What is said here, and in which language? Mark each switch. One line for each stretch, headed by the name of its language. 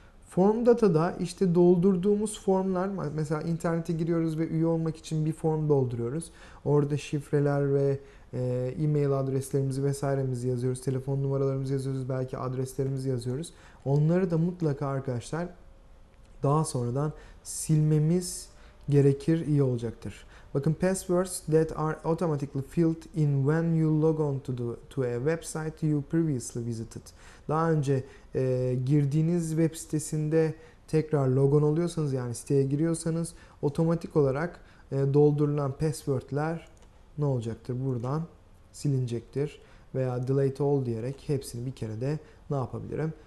Turkish: Form data'da işte doldurduğumuz formlar, mesela internete giriyoruz ve üye olmak için bir form dolduruyoruz. Orada şifreler ve e-mail adreslerimizi vesairemizi yazıyoruz, telefon numaralarımızı yazıyoruz, belki adreslerimizi yazıyoruz. Onları da mutlaka arkadaşlar daha sonradan silmemiz gerekir, iyi olacaktır. Bakın,
English: passwords that are automatically filled in when you log on to a website you previously visited.
Turkish: Daha önce girdiğiniz web sitesinde tekrar logon oluyorsanız, yani siteye giriyorsanız otomatik olarak doldurulan passwordler ne olacaktır? Buradan silinecektir veya delete all diyerek hepsini bir kere de ne yapabilirim?